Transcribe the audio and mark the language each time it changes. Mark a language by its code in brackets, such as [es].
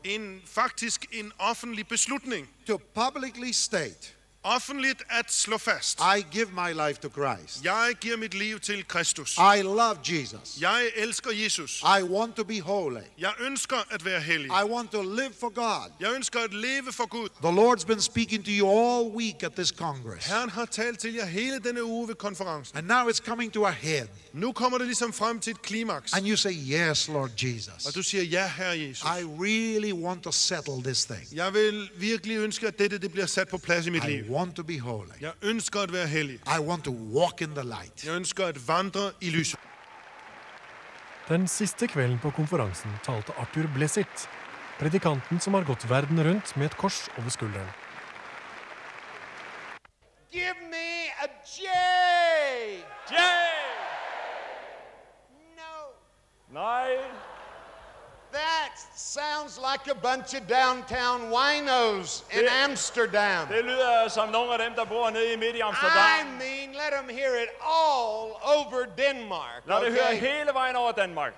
[da] En offentlig beslutning. [en] To publicly state. [da] Offentligt at slå fast. [en] I give my life to Christ. [da] Jeg giver mit liv til Kristus. [en] I love Jesus. [da] Jeg elsker Jesus. [en] I want to be holy. [da] Jeg ønsker at være hellig. [en] I want to live for God. [da] Jeg ønsker at leve for Gud. [en] The Lord's been speaking to you all week at this Congress. [da] Herren har talt til jer hele denne uge ved konferencen. [en] And now it's coming to a head. [da] Nu kommer det ligesom frem til et klimax. [en] And you say, yes, Lord Jesus. [da] Og du siger, ja, Herre Jesus. [en] I really want to settle this thing. [da] Jeg vil virkelig ønske, at dette bliver sat på plads i mit liv. [en] I want to be holy. [da] Jeg ønsker at være hellig. [en] I want to walk in the light. [da] Jeg ønsker at vandre i lyset. Den sidste kvelden på konferencen talte Arthur Blessitt, predikanten som har gått verden rundt med et kors over skulderen. [en] Give me a J! J! No. [no] Nei. [en] That sounds like a bunch of downtown winos in Amsterdam. [da] Det lyder som nogle af dem der bor nede i midt i Amsterdam. [en] I mean, let them hear it all over Denmark. [da] Lad det høre hele vejen over Danmark.